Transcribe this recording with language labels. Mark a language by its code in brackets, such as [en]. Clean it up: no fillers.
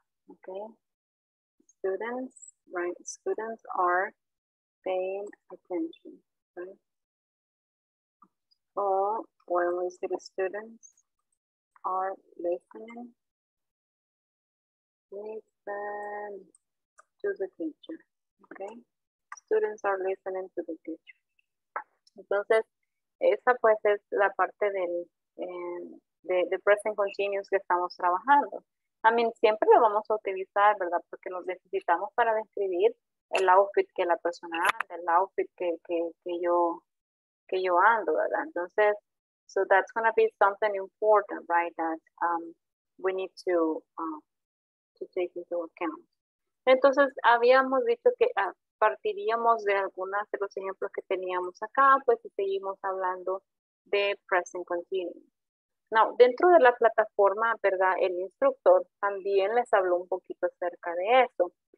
[en] ¿Ok? Students. Right, students are paying attention. Right? Or when we say the students are listening, listen to the teacher. Okay, students are listening to the teacher. [es] Entonces, esa pues es la parte del present continuous que estamos trabajando. [en] I mean, [es] siempre lo vamos a utilizar, ¿verdad? Porque lo necesitamos para describir el outfit que la persona anda, el outfit que yo ando, ¿verdad? Entonces, [en] so that's going to be something important, right? That we need to to take into account. [es] Entonces, habíamos dicho que partiríamos de algunos de los ejemplos que teníamos acá, pues seguimos hablando de present continuous. [en] Now, [es] dentro de la plataforma, ¿verdad? El instructor también les habló un poquito acerca de eso.